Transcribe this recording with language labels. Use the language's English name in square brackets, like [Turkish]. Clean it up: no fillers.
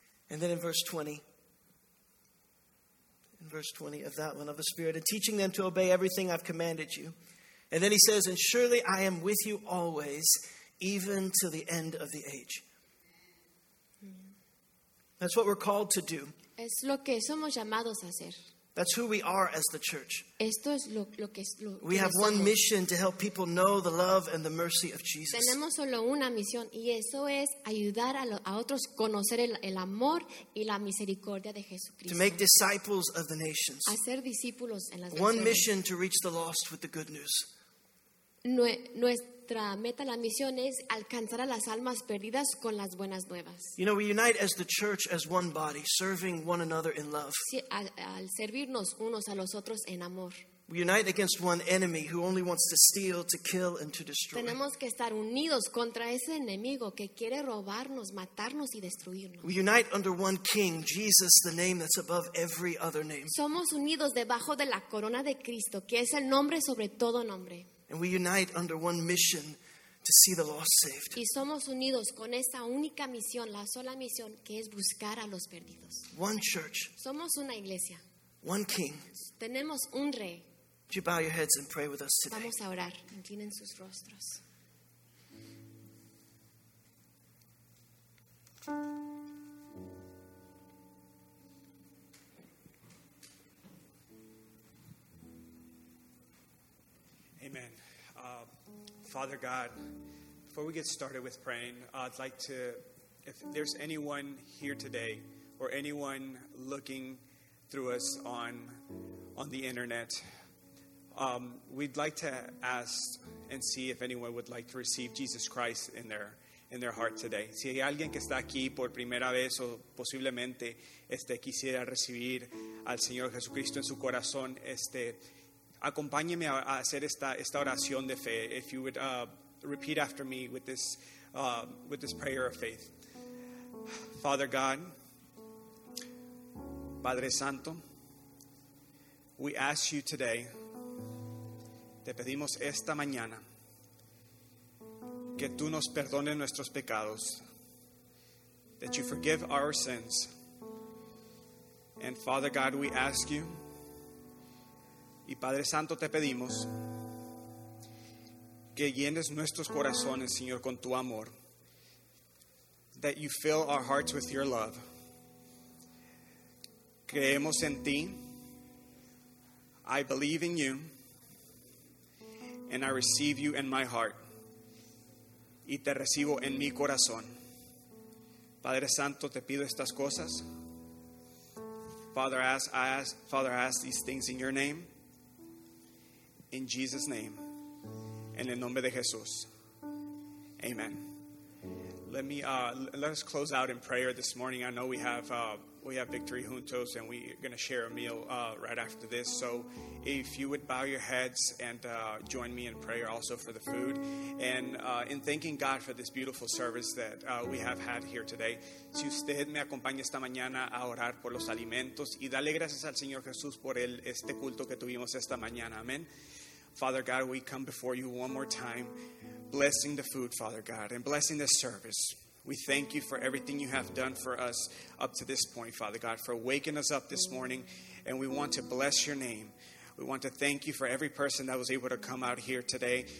[English] And then in verse 20 of that one, of the Spirit, "and teaching them to obey everything I've commanded you." And then he says, "And surely I am with you always, even to the end of the age. That's what we're called to do. [Spanish] Es lo que somos llamados a hacer. [English] That's who we are as the church. [Spanish] Esto es lo que es lo [English] que we have one mission to help people know the love and the mercy of Jesus. [Spanish] Tenemos solo una misión y eso es ayudar a otros conocer el amor y la misericordia de Jesucristo. [English] To make disciples of the nations. [Spanish] Hacer discípulos en las naciones. [English] One mission to reach the lost with the good news. [Spanish] Nuestra meta, la misión es alcanzar a las almas perdidas con las buenas nuevas. [English] You know, we unite as the church, as one body, serving one another in love. [Spanish] Sí, al servirnos unos a los otros en amor. [English] We unite against one enemy who only wants to steal, to kill, and to destroy. [Spanish] Tenemos que estar unidos contra ese enemigo que quiere robarnos, matarnos y destruirnos. [English] We unite under one King, Jesus, the name that's above every other name. [Spanish] Somos unidos debajo de la corona de Cristo, que es el nombre sobre todo nombre. [English] And we unite under one mission to see the lost saved. [Spanish] Y somos unidos con esa única misión, la sola misión que es buscar a los perdidos. [English] One church. [Spanish] Somos una iglesia. [English] One King. [Spanish] Tenemos un rey. [English] Would you bow your heads and pray with us today? [Spanish] Vamos a orar. Inclinen sus rostros. [English] Amen. Father God, before we get started with praying, I'd like to, if there's anyone here today or anyone looking through us on the internet, we'd like to ask and see if anyone would like to receive Jesus Christ in their heart today. [Spanish] Si hay alguien que está aquí por primera vez o posiblemente quisiera recibir al Señor Jesucristo en su corazón, acompáñeme a hacer esta oración de fe. [English] If you would repeat after me with this prayer of faith. [Spanish] Father God, Padre Santo, [English] we ask you today, [Spanish] te pedimos esta mañana, que tú nos perdones nuestros pecados, [English] that you forgive our sins. And Father God, we ask you, [Spanish] y Padre Santo, te pedimos que llenes nuestros corazones, Señor, con tu amor. [English] That you fill our hearts with your love. [Spanish] Creemos en ti. [English] I believe in you. And I receive you in my heart. [Spanish] Y te recibo en mi corazón. Padre Santo, te pido estas cosas. [English] Father, I ask these things in your name. In Jesus' name, [Spanish] en el nombre de Jesús, amen. [English] Let us close out in prayer this morning. I know we have Victory Juntos, and we're going to share a meal right after this. So if you would bow your heads and join me in prayer also for the food, and in thanking God for this beautiful service that we have had here today. [Spanish] Si usted me acompaña esta mañana a orar por los alimentos, y dale gracias al Señor Jesús por este culto que tuvimos esta mañana, amen. [English] Father God, we come before you one more time, blessing the food, Father God, and blessing this service. We thank you for everything you have done for us up to this point, Father God, for waking us up this morning, and we want to bless your name. We want to thank you for every person that was able to come out here today.